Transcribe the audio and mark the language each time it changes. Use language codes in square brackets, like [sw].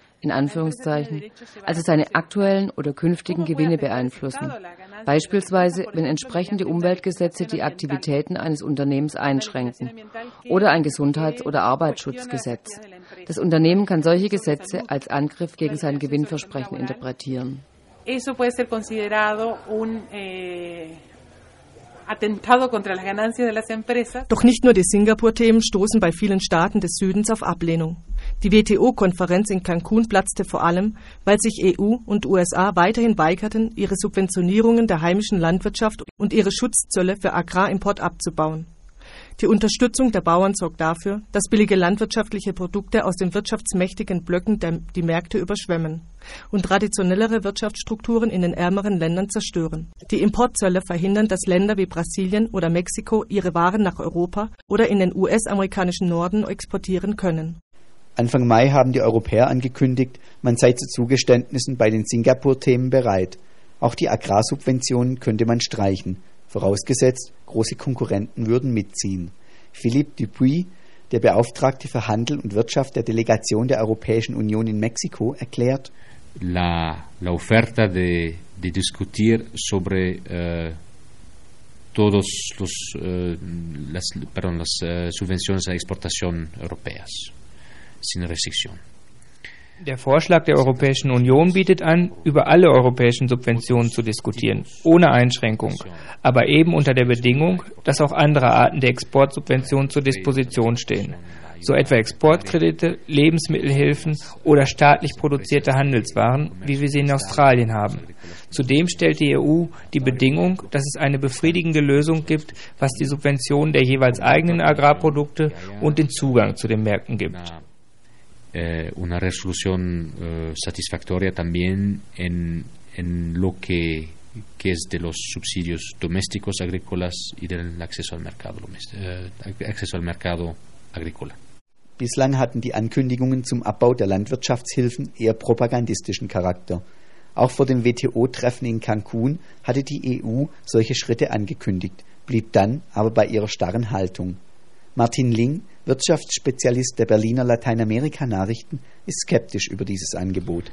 [de] in Anführungszeichen, also seine aktuellen oder künftigen Gewinne beeinflussen. Beispielsweise, wenn entsprechende Umweltgesetze die Aktivitäten eines Unternehmens einschränken oder ein Gesundheits- oder Arbeitsschutzgesetz. Das Unternehmen kann solche Gesetze als Angriff gegen sein Gewinnversprechen interpretieren. [es] Eso puede ser considerado un atentado contra las ganancias de las empresas. [de] Doch nicht nur die Singapur-Themen stoßen bei vielen Staaten des Südens auf Ablehnung. Die WTO-Konferenz in Cancun platzte vor allem, weil sich EU und USA weiterhin weigerten, ihre Subventionierungen der heimischen Landwirtschaft und ihre Schutzzölle für Agrarimport abzubauen. Die Unterstützung der Bauern sorgt dafür, dass billige landwirtschaftliche Produkte aus den wirtschaftsmächtigen Blöcken die Märkte überschwemmen und traditionellere Wirtschaftsstrukturen in den ärmeren Ländern zerstören. Die Importzölle verhindern, dass Länder wie Brasilien oder Mexiko ihre Waren nach Europa oder in den US-amerikanischen Norden exportieren können. Anfang Mai haben die Europäer angekündigt, man sei zu Zugeständnissen bei den Singapur-Themen bereit. Auch die Agrarsubventionen könnte man streichen, vorausgesetzt, große Konkurrenten würden mitziehen. Philippe Dupuis, der Beauftragte für Handel und Wirtschaft der Delegation der Europäischen Union in Mexiko, erklärt: [es] La oferta de discutir sobre todos los las perdón las subvenciones a exportación europeas sin restricción. [de] Der Vorschlag der Europäischen Union bietet an, über alle europäischen Subventionen zu diskutieren, ohne Einschränkung, aber eben unter der Bedingung, dass auch andere Arten der Exportsubventionen zur Disposition stehen, so etwa Exportkredite, Lebensmittelhilfen oder staatlich produzierte Handelswaren, wie wir sie in Australien haben. Zudem stellt die EU die Bedingung, dass es eine befriedigende Lösung gibt, was die Subventionen der jeweils eigenen Agrarprodukte und den Zugang zu den Märkten gibt. [es] Una resolución satisfactoria también en lo que es de los subsidios domésticos agrícolas y del acceso al mercado agrícola. [de] Bislang hatten die Ankündigungen zum Abbau der Landwirtschaftshilfen eher propagandistischen Charakter. Auch vor dem WTO-Treffen in Cancun hatte die EU solche Schritte angekündigt, blieb dann aber bei ihrer starren Haltung. Martin Ling, Wirtschaftsspezialist der Berliner Lateinamerika-Nachrichten, ist skeptisch über dieses Angebot.